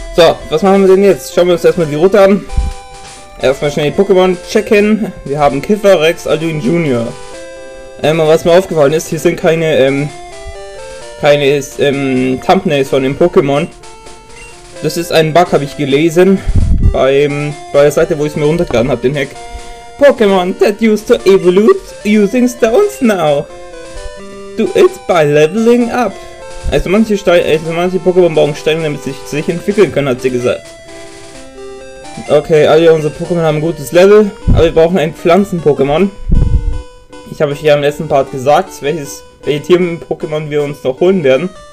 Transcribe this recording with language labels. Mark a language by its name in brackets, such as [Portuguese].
[German] So, was machen wir denn jetzt? Schauen wir uns erstmal die Route an. Erstmal schnell die Pokémon checken. Wir haben Kifferrex, Alduin Junior. Was mir aufgefallen ist, hier sind keine, Thumbnails von den Pokémon. Das ist ein Bug, habe ich gelesen. Bei der Seite, wo ich es mir runtergeladen habe, den Hack. [English] Pokémon that used to evolute using stones now. Do it by leveling up. [German] Also manche Pokémon brauchen Steine, damit sie sich entwickeln können, hat sie gesagt. Okay, alle unsere Pokémon haben ein gutes Level, aber wir brauchen ein Pflanzen-Pokémon. Ich habe euch ja im letzten Part gesagt, welche Tier-Pokémon wir uns noch holen werden.